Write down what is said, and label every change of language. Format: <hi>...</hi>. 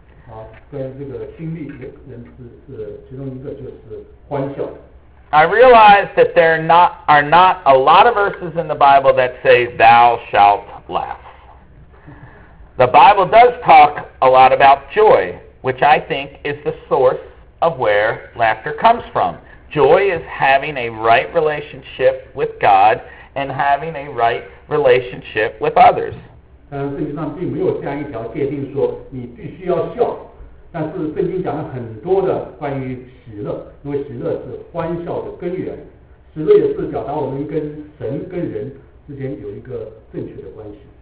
<zh>啊，跟这个经历人是其中一个就是欢笑。</zh> <en>I realize that there are not a lot of verses in the Bible that say thou shalt laugh. The Bible does talk a lot about joy, which I think is the source of where laughter comes from. Joy is having a right relationship with God and having a right relationship with others.</en> <zh>圣经上并没有这样一条界定说你必须要笑，但是圣经讲了很多的关于喜乐，因为喜乐是欢笑的根源，喜乐也是表达我们跟神跟人之间有一个正确的关系。</zh>